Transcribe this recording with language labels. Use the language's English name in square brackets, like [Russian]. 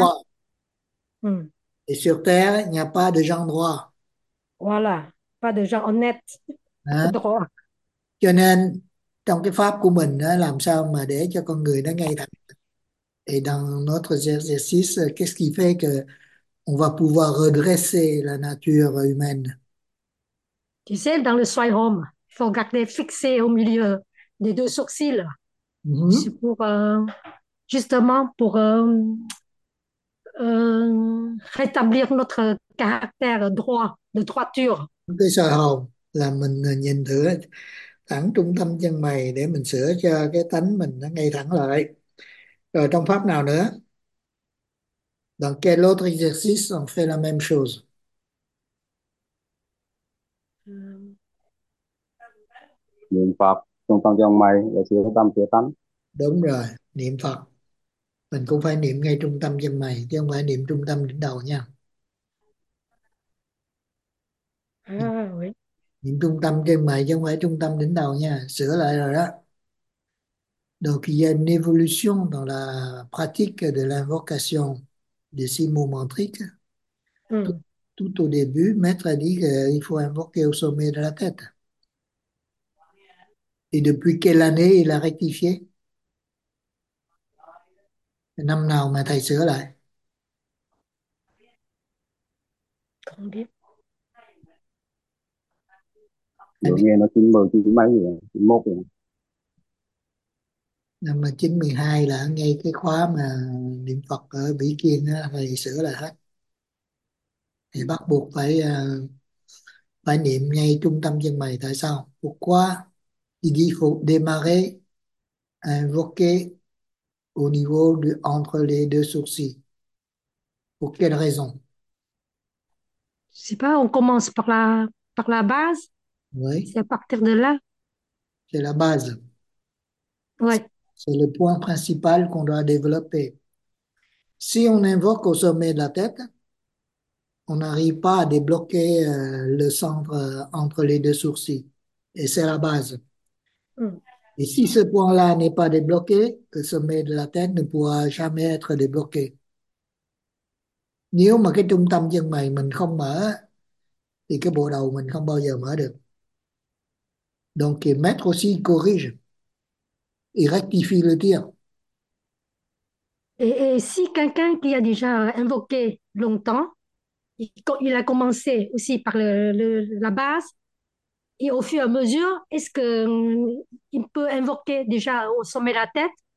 [French] droit et sur terre il n'y a pas de gens droits Voilà, pas de gens honnêtes, hein? droit. [Vietnamese] Cho nên trong cái pháp của mình đó, làm sao mà để cho con người nó ngay thẳng. [French] Et dans notre exercice, qu'est-ce qui fait que on va pouvoir redresser la nature humaine? Tu sais, dans le soi home, il faut garder fixé au milieu des deux sourcils. C'est pour, justement, pour rétablir notre caractère droit, de droiture. [Vietnamese] Cái sơ hồn là mình nhìn thử thẳng trung tâm chân mày để mình sửa cho cái tánh mình nó ngay thẳng lại. Rồi trong pháp nào nữa? [French] Dans quel autre exercice on fait la même chose? [Vietnamese] Niệm Phật, trung tâm dòng mày, để sửa tâm, sửa tánh. Đúng rồi, niệm Phật. Mình cũng phải niệm ngay trung tâm chân mày, chứ không phải niệm trung tâm đỉnh đầu nha. [French] À, oui. [Vietnamese] Niệm trung tâm chân mày chứ không phải trung tâm đỉnh đầu nha, sửa lại rồi đó. [French] Donc, il y a une évolution dans la pratique de l'invocation des six mots mantriques. Tout au début, Maître a dit qu'il faut invoquer au sommet de la tête. Et depuis quelle année il a rectifié? [Vietnamese] Năm nào mà thầy sửa lại? [French] Combien? [Vietnamese] Vừa nghe nó 90 chín mấy rồi, 91 rồi. Năm 1912 là ngay cái khóa mà niệm Phật ở Bỉ Kiên đó, thầy sửa lại hết. Thì bắt buộc phải phải niệm ngay trung tâm chân mày. Tại sao? [French] Pourquoi? Il faut démarrer invoquée au niveau du entre les deux sourcils. Pour quelle raison? Je sais pas, on commence par la base. Oui. C'est à partir de là. C'est la base. Ouais. Le point principal qu'on doit développer. Si on invoque au sommet de la tête, on n'arrive pas à débloquer le centre entre les deux sourcils. Et c'est la base. Et si ce point-là n'est pas débloqué, le sommet de la tête ne pourra jamais être débloqué. [Vietnamese] Nếu mà cái trung tâm chân mày mình không mở, thì cái bộ đầu mình không bao giờ mở được. [French] Donc, et maître aussi corrige. Il rectifie le tir. Et si quelqu'un qui a déjà invoqué longtemps, il a commencé aussi par la base, et au fur et à mesure, est-ce qu'il peut invoquer déjà au sommet de la tête?